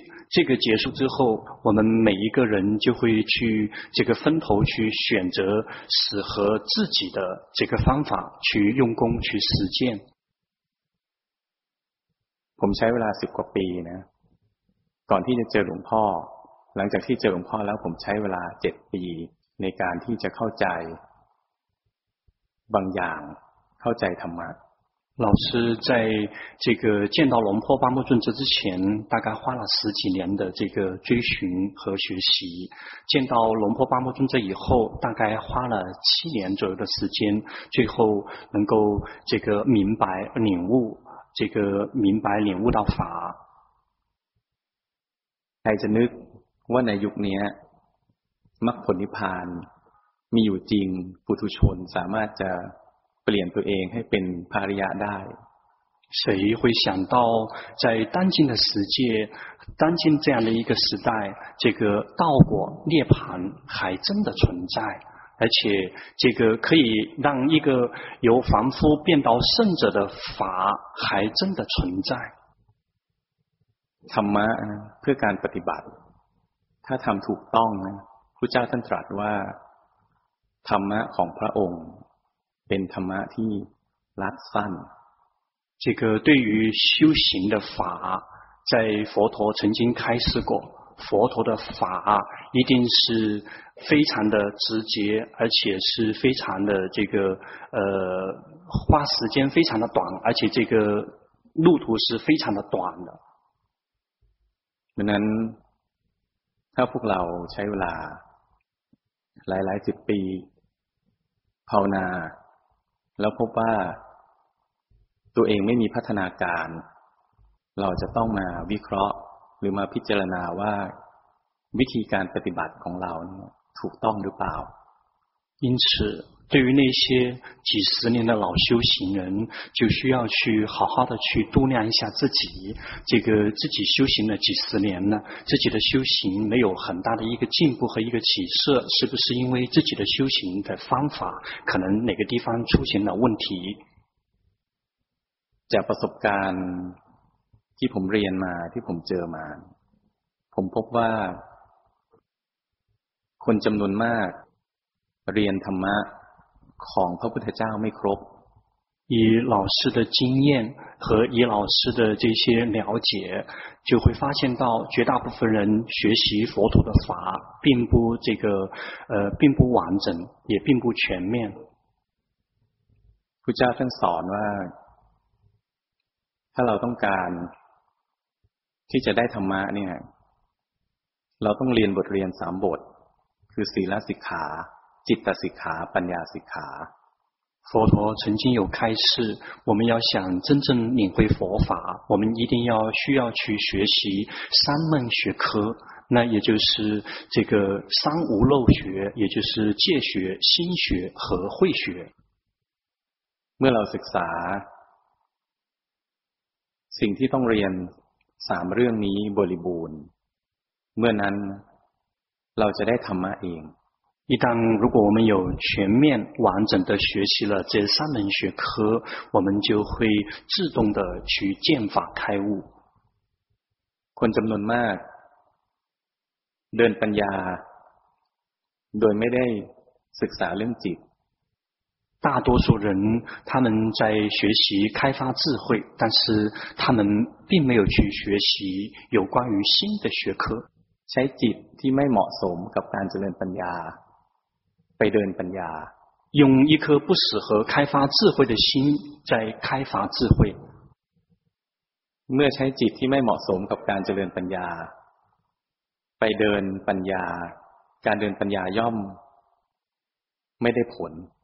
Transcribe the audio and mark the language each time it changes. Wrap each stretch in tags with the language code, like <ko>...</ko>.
<zh>这个结束之后我们每一个人就会去这个分头去选择适合自己的这个方法去用功去实践</zh> <th>ผมใช้เวลา10กว่าปีนะก่อนที่จะเจอหลวงพ่อหลังจากที่เจอหลวงพ่อแล้วผมใช้เวลา7ปีในการที่จะเข้าใจบางอย่างเข้าใจธรรมะ</th> <zh>老师在这个见到龙婆巴木尊者之前，大概花了十几年的这个追寻和学习。见到龙婆巴木尊者以后，大概花了七年左右的时间，最后能够这个明白领悟，这个明白领悟到法。</zh> <th>ใครจะนึกว่าในยุคนี้มรรคผลนิพพานมีอยู่จริงปุถุชนสามารถจะเปลี่ยนตัวเองให้เป็นพระอริยะได้</th> <zh>谁会想到在当今的世界当今这样的一个时代这个道果涅槃还真的存在而且这个可以让一个由凡夫变到圣者的法还真的存在</zh> <th>ธรรมะเพื่อการปฏิบัติถ้าทำถูกต้องนะพระเจ้าท่านตรัสว่าธรรมะของพระองค์เป็นธรรมะที่รัดสั้น</th> <zh>这个对于修行的法在佛陀曾经开示过佛陀的法一定是非常的直接而且是非常的这个花时间非常的短而且这个路途是非常的短的</zh> <th>ดังนั้นถ้าพวกเราใช้เวลาหลายๆสิบปีภาวนาแล้วพบว่าตัวเองไม่มีพัฒนาการเราจะต้องมาวิเคราะห์หรือมาพิจารณาว่าวิธีการปฏิบัติของเราถูกต้องหรือเปล่า</th> <zh>因此对于那些几十年的老修行人就需要去好好的去度量一下自己这个自己修行了几十年呢自己的修行没有很大的一个进步和一个起色是不是因为自己的修行的方法可能哪个地方出现了问题</zh> <th>จากประสบการณ์ที่ผมเรียนมาที่ผมเจอมาผมพบว่าคนจำนวนมากเรียนธรรมะของพระพุทธเจ้าไม่ครบ</th> <zh>以老师的经验和以老师的这些了解就会发现到绝大部分人学习佛陀的法并不这个并不完整也并不全面</zh> <th>พุทธเจ้าสอนว่าถ้าเราต้องการที่จะได้ธรรมะเนี่ยเราต้องเรียนบทเรียนสามบทคือศีลสิกขาจิตตสิกขาปัญญาสิกขา</th> <zh>佛陀曾经有开示我们要想真正领会佛法我们一定要需要去学习三门学科那也就是这个三无漏学也就是戒学心学和慧学</zh> <th>เมื่อเราศึกษาสิ่งที่ต้องเรียนสามเรื่องนี้บริบูรณ์เมื่อนั้นเราจะได้ธรรมะเอง</th> <zh>一旦如果我们有全面完整的学习了这三门学科我们就会自动的去见法开悟</zh> <th>คนจำนวนมากเดินปัญญาโดยไม่ได้ศึกษาเรื่องจิต</th> <zh>大多数人他们在学习开发智慧但是他们并没有去学习有关于心的学科</zh> <th>ใช้จิตที่ไม่เหมาะสมกับการเจริญปัญญาไปเดินปัญญา</th> <zh>用一颗不适合开发智慧的心在开发智慧</zh> <th>เมื่อใช้จิตที่ไม่เหมาะสมกับการเจริญปัญญาไปเดินปัญญาการเดินปัญญาย่อมไม่ได้ผล</th>